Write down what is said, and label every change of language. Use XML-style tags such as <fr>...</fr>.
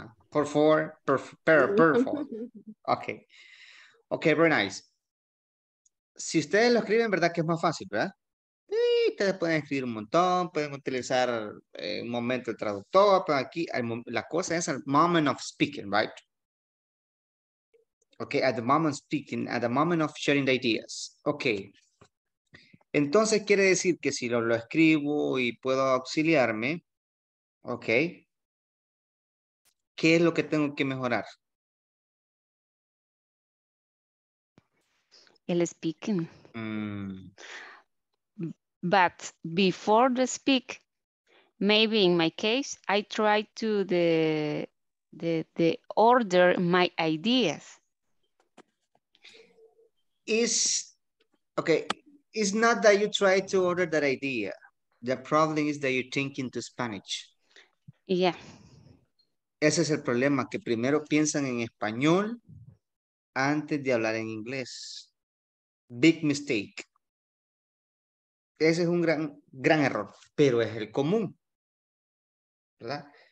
<en>Per four, per four. Okay. Okay, very nice.</en> <es>Si ustedes lo escriben, ¿verdad que es más fácil, verdad? Sí, ustedes pueden escribir un montón, pueden utilizar un momento de traductor, pero aquí la cosa es el</es> <en>moment of speaking, right? Okay, at the moment of speaking, at the moment of sharing the ideas. Okay.</en> <es>Entonces quiere decir que si lo escribo y puedo auxiliarme, ok, ¿qué es lo que tengo que mejorar? El speaking.</es> <en>But before the speak, maybe in my case, I try to the order my ideas. Is okay. It's not that you try to order that idea. The problem is that you're thinking to Spanish. Yeah.</en> <es>Ese es el problema, que primero piensan en español antes de hablar en inglés.</es> <en>Big mistake.</en> <es>Ese es un gran, gran error, pero es el común. ¿Verdad?</es>